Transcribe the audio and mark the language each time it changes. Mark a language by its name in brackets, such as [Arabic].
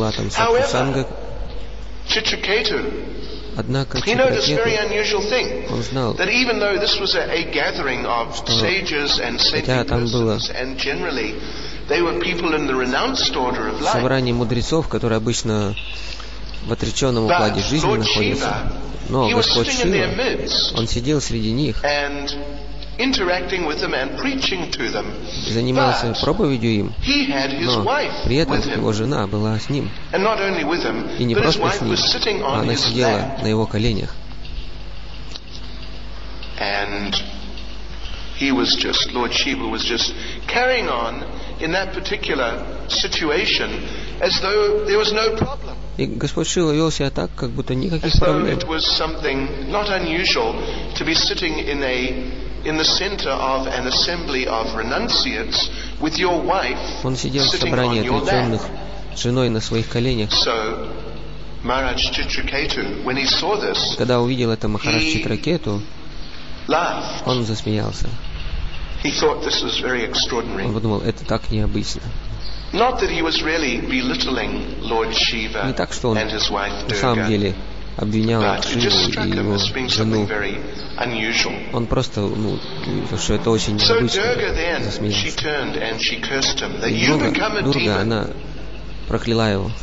[English] However, Chitraketu, he noticed a very unusual thing, that even though this was a gathering of sages and saintly persons, and generally they were people in the renounced order of life, but Lord Shiva, he was sitting in their midst, and interacting with them and preaching to them. [Russian] Занимался проповедью им, но при этом его жена была с ним. [English] And not only with him, [Russian] и не просто с ним, [English] but [Russian] она сидела на его коленях. [English] And he was just, Lord Shiva was just carrying on in that particular situation as though there was no problem. [Russian] И Господь Шива вел себя так, как будто никаких проблем. [English] It was something not unusual to be sitting in the center of an assembly of renunciates with your wife sitting on your lap. So, Maharaj Chitraketu, when he saw this, he laughed. [Russian] Он засмеялся. [English] He thought this was very extraordinary. [Russian] Он подумал, это так необычно. [English] Not that he was really belittling Lord Shiva and his wife Durga. [Russian] Обвинял Шиву и его жену. Он просто, что это очень необычно, засмеялся. И Дурга, она прокляла его.